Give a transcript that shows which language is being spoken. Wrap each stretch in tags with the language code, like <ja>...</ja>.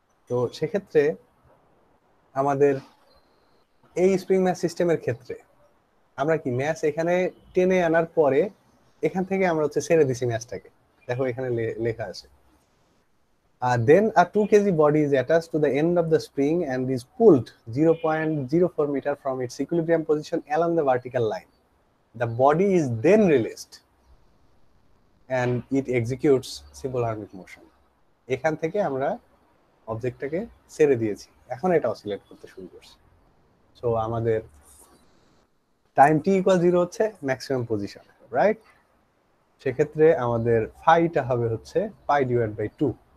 <bn>তো সেক্ষেত্রে আমাদের এই স্প্রিং ম্যাস সিস্টেমের ক্ষেত্রে আমরা কি ম্যাস এখানে টেনে আনার পরে এখান থেকে আমরা হচ্ছে ছেড়ে দিছি ম্যাসটাকে, দেখো এখানে লেখা আছে</bn> <en>then a 2 kg body is attached to the end of the spring and is pulled 0.04 meter from its equilibrium position along the vertical line. The body is then released and it executes simple harmonic motion.</en> <bn>এখান থেকে আমরা অবজেক্টটাকে ছেড়ে দিয়েছি, এখন এটা oscillate করতে শুরু করছে। সো আমাদের টাইম টি ইকুয়াল 0 হচ্ছে ম্যাক্সিমাম পজিশন, রাইট। সেক্ষেত্রে আমাদের ফাইটা হবে হচ্ছে পাই ডিভাইড বাই 2।</bn>